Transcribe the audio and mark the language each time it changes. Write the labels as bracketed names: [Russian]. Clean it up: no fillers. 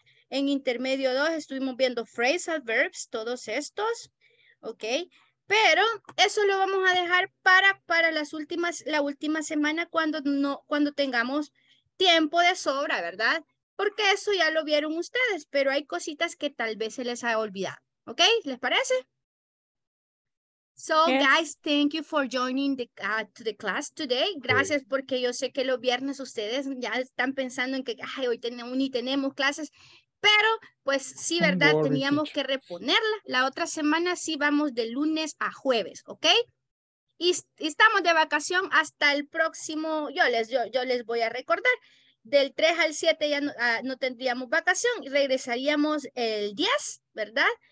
[Spanish] En intermedio 2 estuvimos viendo phrase adverbs, todos estos, ¿ok? Pero eso lo vamos a dejar para las últimas, la última semana cuando, no, cuando tengamos tiempo de sobra, ¿verdad? Porque eso ya lo vieron ustedes, pero hay cositas que tal vez se les ha olvidado, ¿ok? ¿Les parece? [English] So, yes. Guys, thank you for joining the to the class today. [Spanish] Gracias, porque yo sé que los viernes ustedes ya están pensando en que ay, hoy tenemos, ni tenemos clases, pero pues sí, ¿verdad? Teníamos que reponerla. La otra semana sí vamos de lunes a jueves, ¿ok? Y estamos de vacación hasta el próximo, yo les voy a recordar, del 3 al 7 ya no, no tendríamos vacación y regresaríamos el 10, ¿verdad?